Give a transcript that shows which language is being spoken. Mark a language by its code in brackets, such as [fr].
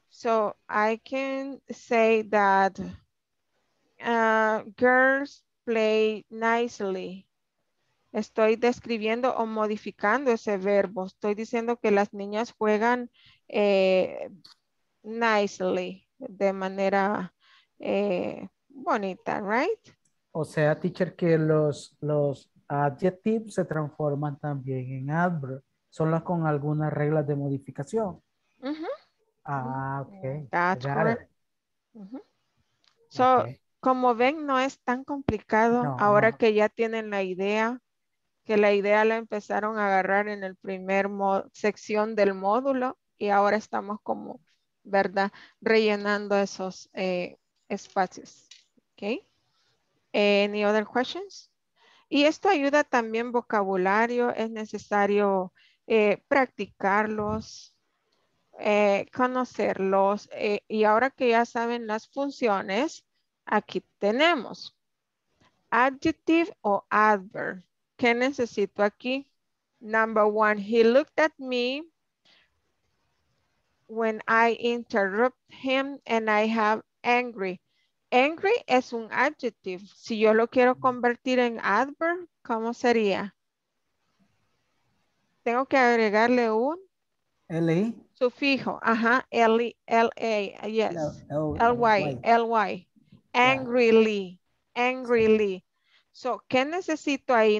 [en] So I can say that girls play nicely. [es] Estoy describiendo o modificando ese verbo. Estoy diciendo que las niñas juegan nicely, de manera bonita, right? O sea, teacher, que los adjectives se transforman también en adverbs. Son las con algunas reglas de modificación. Uh-huh. Ah, ok. [en] That's correct. So, okay. [es] Como ven, no es tan complicado. No, ahora no. Que ya tienen la idea, que la idea la empezaron a agarrar en el primer sección del módulo y ahora estamos como, ¿verdad?, rellenando esos espacios. Okay. [en] Any other questions? [es] Y esto ayuda también vocabulario, es necesario practicarlos, conocerlos, y ahora que ya saben las funciones, aquí tenemos adjective o adverb. ¿Qué necesito aquí? [en] Number one, he looked at me when I interrupt him and I have angry. [es] Angry es un adjective. Si yo lo quiero convertir en adverb, ¿cómo sería? Tengo que agregarle un L-E. Sufijo. Ajá, L-E-L-A. Yes. L-Y. L-Y. [en] Angrily. Angrily. So, [es] ¿qué necesito ahí?